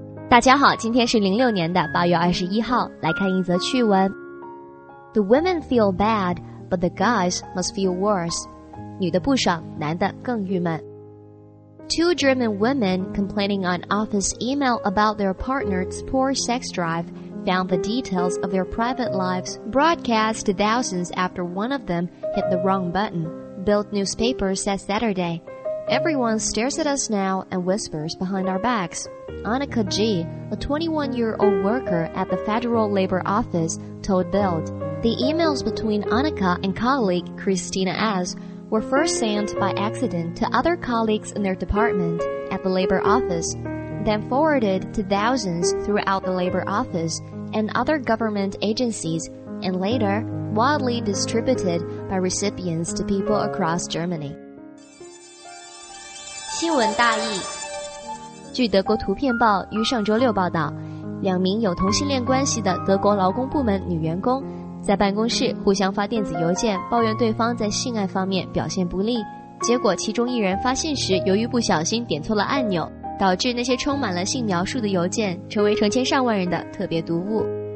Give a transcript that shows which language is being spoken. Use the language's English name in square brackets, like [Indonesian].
[Chinese] 大家好，今天是06年的8月21号，来看一则趣闻。 [English] The women feel bad, but the guys must feel worse. [Chinese] 女的不爽，男的更郁闷。 [English] Two German women complaining on office email about their partner's poor sex drive found the details of their private lives broadcast to thousands after one of them hit the wrong button. Bild newspaper said Saturday, Everyone stares at us now and whispers behind our backs. Annika G, a 21-year-old worker at the Federal Labor Office, told Bild. The emails between Annika and colleague Christina S were first sent by accident to other colleagues in their department at the Labor Office, then forwarded to thousands throughout the Labor Office and other government agencies, and later widely distributed by recipients to people across Germany. [Chinese] 新闻大意。据德国图片报于上周六报道，两名有同性恋关系的德国劳工部门女员工在办公室互相发电子邮件，抱怨对方在性爱方面表现不利，结果其中一人发信时由于不小心点错了按钮，导致那些充满了性描述的邮件成为成千上万人的特别读物。